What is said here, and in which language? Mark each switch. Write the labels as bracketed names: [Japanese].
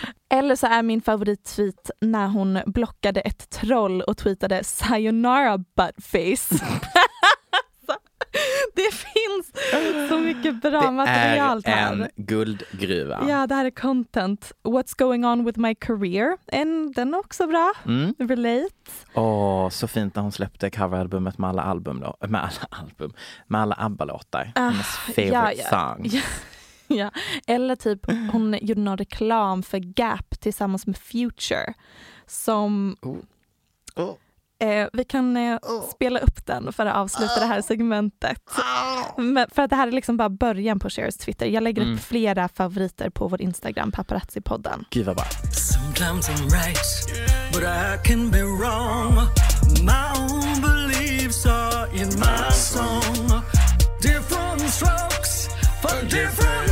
[Swedish] Eller så är min favorittweet när hon blockade ett troll och tweetade [English] sayonara buttface. [Swedish] Det finns så mycket bra material. Det är en guldgruva. Ja, det här är content. [English] What's going on with my career? [Swedish] Den är också bra. Relate. Åh, så fint när hon släppte coveralbumet med alla album då. Med alla album. Med alla ABBA-låtar. Hennes favorite song. Ja, eller typ hon gjorde någon reklam för Gap tillsammans med Future som vi kan spela upp den för att avsluta det här segmentet. Men för att det här är liksom bara början på Shares Twitter. Jag lägger upp flera favoriter på vår Instagram paparazzi-podden. Gud vad bra. [English] Sometimes I'm right, but I can be wrong. My own beliefs are in my song. Different strokes for different.